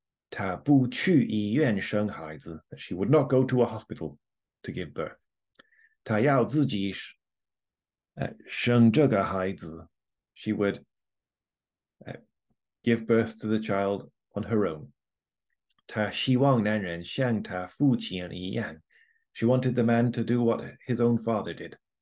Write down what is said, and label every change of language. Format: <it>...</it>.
<zh>她不去医院生孩子,</zh> <en>that she would not go to a hospital to give birth.</en> <zh>她要自己生这个孩子,</zh> <en>she would give birth to the child on her own.</en> <zh>她希望男人像她父亲一样,</zh> <en>she wanted the man to do what his own father did.</en>